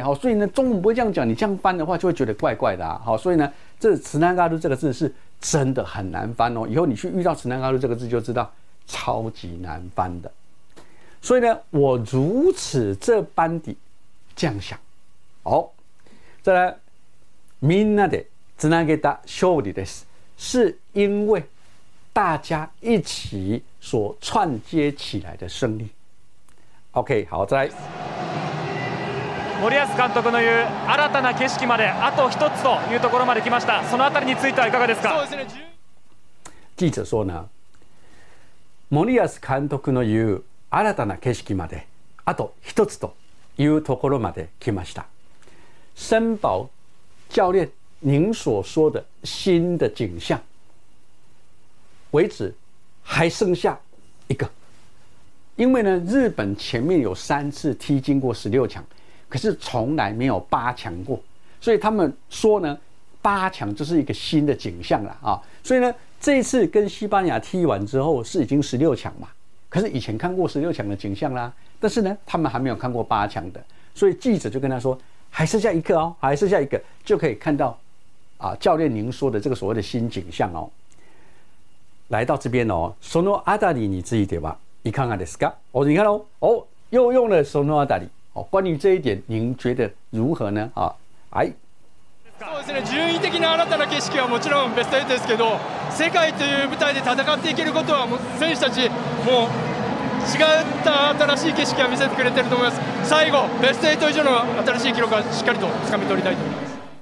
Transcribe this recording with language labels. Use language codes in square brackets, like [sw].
[zh] 好，所以呢，中文不会这样讲，你这样翻的话就会觉得怪怪的啊。好，所以呢，这慈南嘎鲁这个字是真的很难翻哦。以后你去遇到慈南嘎鲁这个字，就知道超级难翻的。所以呢，我如此这般地这样想。好，再来， [ja] みんなでつなげた勝利です。 [zh] 是因为大家一起所串接起来的胜利。 OK, 好，再来。 [ja] 森保監督の言う新たな景色まであと一つというところまで来ました。そのあたりについてはいかがですか？ [zh] 記者说呢， [ja] 森保監督の言う新たな景色まであと一つというところまで来ました。 [zh] 森保教练，您所说的新的景象为止还剩下一个，因为呢，日本前面有三次踢进过十六强，可是从来没有八强过，所以他们说呢，八强就是一个新的景象了啊。所以呢，这一次跟西班牙踢完之后是已经十六强嘛，可是以前看过十六强的景象啦，但是呢，他们还没有看过八强的，所以记者就跟他说，还剩下一个哦，还剩下一个就可以看到啊，教练您说的这个所谓的新景象哦。来到这边哦， [ja] そのあたりについてはいかがですか？ [zh] 哦，你看哦，哦，又用了 [ja] そのあたり。 [zh] 关于这一点您觉得如何呢？啊，哎， [ja] そうですね、順位的な新たな景色はもちろんベスト8ですけど、世界という舞台で戦っていけることは選手たちもう違った新しい景色を見せてくれてると思います。最後ベスト8以上の新しい記録はしっかりと掴み取りたいと思います。